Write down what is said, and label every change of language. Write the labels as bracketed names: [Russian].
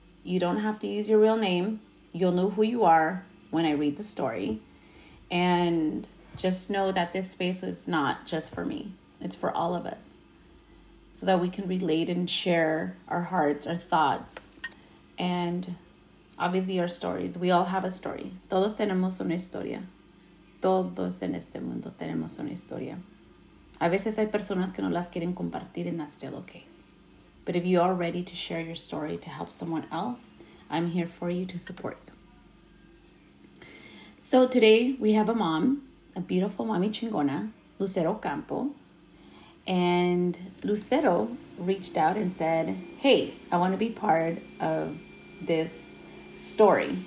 [English] You don't have to use your real name. You'll know who you are when I read the story. And just know that this space is not just for me. It's for all of us. So that we can relate and share our hearts, our thoughts, and obviously our stories. We all have a story. [Spanish] Todos tenemos una historia. Todos en este mundo tenemos una historia. A veces hay personas que no las quieren compartir, [English] and that's still okay. But if you are ready to share your story to help someone else, I'm here for you to support you. So today we have a mom, a beautiful mommy chingona, Lucero Campo. And Lucero reached out and said, hey, I want to be part of this story.